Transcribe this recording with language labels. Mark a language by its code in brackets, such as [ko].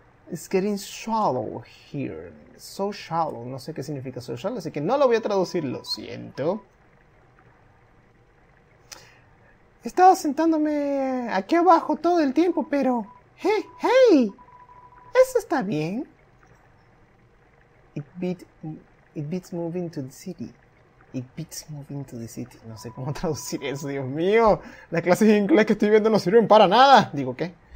[en] It's getting shallow here. So shallow. [es] No sé qué significa [en] so shallow, [es] así que no lo voy a traducir. Lo siento. He estado sentándome aquí abajo todo el tiempo, pero... ¡Hey! Eso está bien. [en] It beats moving to the city. It beats moving to the city. [es] No sé cómo traducir eso, Dios mío. La clase de inglés que estoy viendo no sirve para nada. Digo, ¿qué?